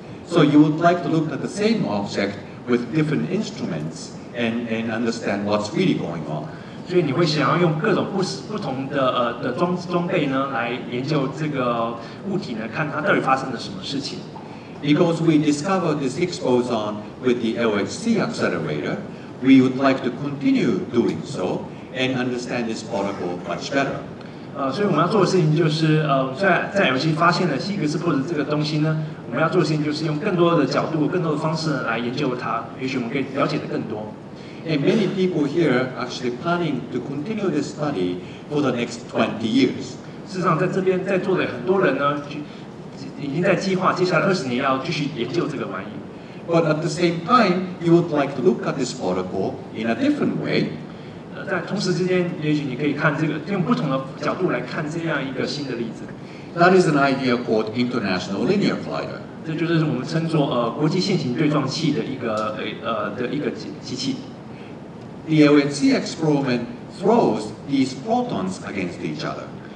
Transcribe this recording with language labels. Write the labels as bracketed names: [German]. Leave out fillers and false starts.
[English] So you would like to look at the same object with different instruments and understand what's really going on. [Chinese] 所以你会想要用各种不同的装备呢，来研究这个物体呢，看它到底发生了什么事情。 [English] Because we discovered this Higgs boson with the LHC accelerator, we would like to continue doing so and understand this particle much better. [Chinese] 所以我们要做的事情就是在 LHC 发现了希格斯波子这个东西呢，我们要做的事情就是用更多的角度、更多的方式来研究它，也许我们可以了解的更多。 [English] And many people here are actually planning to continue this study for the next 20 years. [Chinese] 事实上，在这边在座的很多人呢，已经在计划接下来二十年要继续研究这个玩意。 [English] But at the same time, you would like to look at this protocol in a different way. [Chinese] 在同时之间，也许你可以看这个，用不同的角度来看这样一个新的例子。 [English] That is an idea called international linear collider. [Chinese] 这就是我们称作国际线形对撞器的一个机器。 [English] The LHC experiment throws these protons against each other.